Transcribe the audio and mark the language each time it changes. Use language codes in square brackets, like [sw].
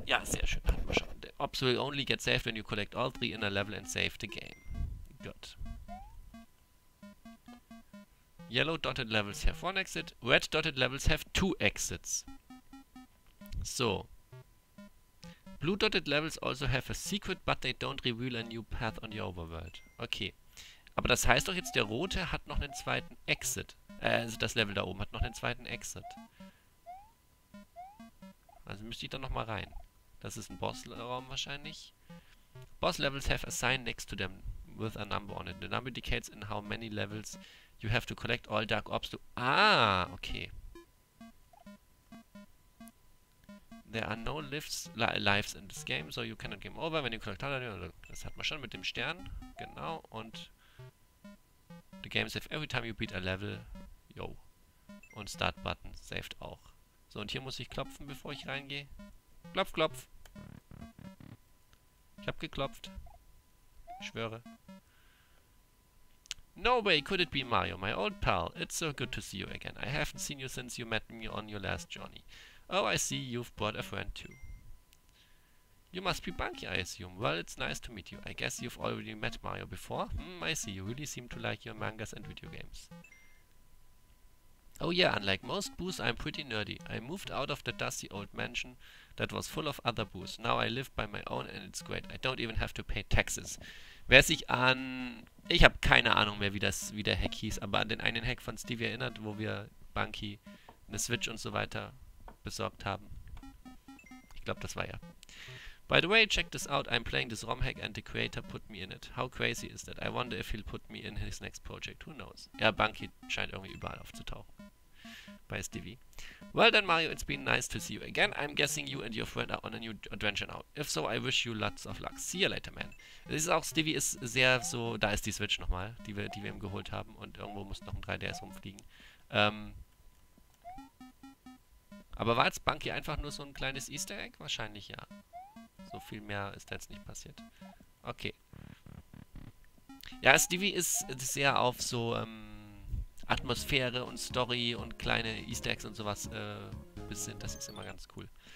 [de] Ja, sehr schön. Hatten wir schon. [en] The Orbs will only get saved when you collect all 3 in a level and save the game. Good. Yellow dotted levels have 1 exit. Red dotted levels have 2 exits. So. Blue dotted levels also have a secret, but they don't reveal a new path on the overworld. Okay. [de] Aber das heißt doch jetzt, der rote hat noch einen zweiten Exit. Also das Level da oben hat noch einen zweiten Exit. Also müsste ich da nochmal rein. Das ist ein Bossraum wahrscheinlich. [en] Boss levels have a sign next to them with a number on it. The number indicates in how many levels you have to collect all dark orbs to... Ah, okay. There are no lives in this game, so you cannot game over when you collect all dark orbs. [de] Das hat man schon mit dem Stern. Genau, und... [en] The game saves every time you beat a level. [de] Yo. Und Start Button saved auch. So, und hier muss ich klopfen, bevor ich reingehe. Klopf, klopf. Ich hab geklopft. Ich schwöre. [en] No way could it be Mario, my old pal. It's so good to see you again. I haven't seen you since you met me on your last journey. Oh, I see you've brought a friend too. You must be Bunky, I assume. Well, it's nice to meet you. I guess you've already met Mario before. Hmm, I see. You really seem to like your mangas and video games. Oh yeah, unlike most Boos, I'm pretty nerdy. I moved out of the dusty old mansion that was full of other Boos. Now I live by my own and it's great. I don't even have to pay taxes. [de] Wer sich an... Ich habe keine Ahnung mehr, wie der Hack hieß, aber an den einen Hack von Stevie erinnert, wo wir Bunky, eine Switch und so weiter besorgt haben. Ich glaube, das war ja... [en] By the way, check this out. I'm playing this ROM hack and the creator put me in it. How crazy is that? I wonder if he'll put me in his next project. Who knows? [de] Ja, Bunky scheint irgendwie überall aufzutauchen. Bei Stevie. [en] Well then, Mario, it's been nice to see you again. I'm guessing you and your friend are on a new adventure now. If so, I wish you lots of luck. See you later, man. [de] Es ist auch, Stevie ist sehr so... Da ist die Switch nochmal, die wir ihm geholt haben. Und irgendwo muss noch ein 3DS rumfliegen. Aber war jetzt Bunky einfach nur so ein kleines Easter Egg? Wahrscheinlich ja. So viel mehr ist jetzt nicht passiert. Okay. Ja, Stevie ist sehr auf so Atmosphäre und Story und kleine Easter Eggs und sowas besinnt. Das ist immer ganz cool.